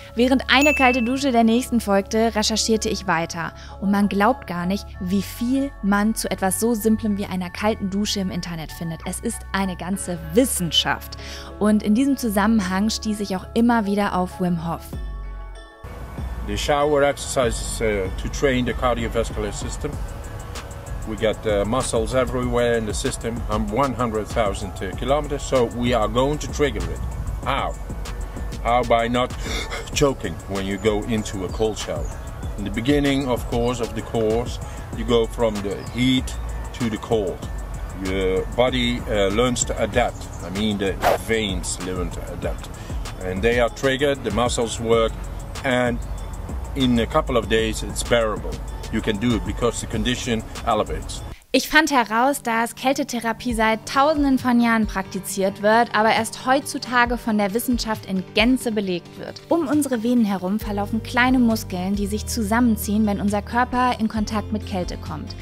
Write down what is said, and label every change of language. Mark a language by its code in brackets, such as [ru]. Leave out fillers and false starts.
[de] Während eine kalte Dusche der nächsten folgte, recherchierte ich weiter. Und man glaubt gar nicht, wie viel man zu etwas so Simplem wie einer kalten Dusche im Internet findet. Es ist eine ganze Wissenschaft. Und in diesem Zusammenhang stieß ich auch immer wieder auf Wim Hof. [en] The shower exercises to train the cardiovascular system. We get muscles everywhere in the system, 100,000 kilometers, so we are going to trigger it. How? How by not choking when you go into a cold shower? In the beginning, of course, of the course, you go from the heat to the cold. Your body learns to adapt. I mean, the veins learn to adapt. And they are triggered, the muscles work, and in a couple of days, it's bearable. You can do it because the condition elevates. [de] Ich fand heraus, dass Kältetherapie seit Tausenden von Jahren praktiziert wird, aber erst heutzutage von der Wissenschaft in Gänze belegt wird. Um unsere Venen herum verlaufen kleine Muskeln, die sich zusammenziehen, wenn unser Körper in Kontakt mit Kälte kommt.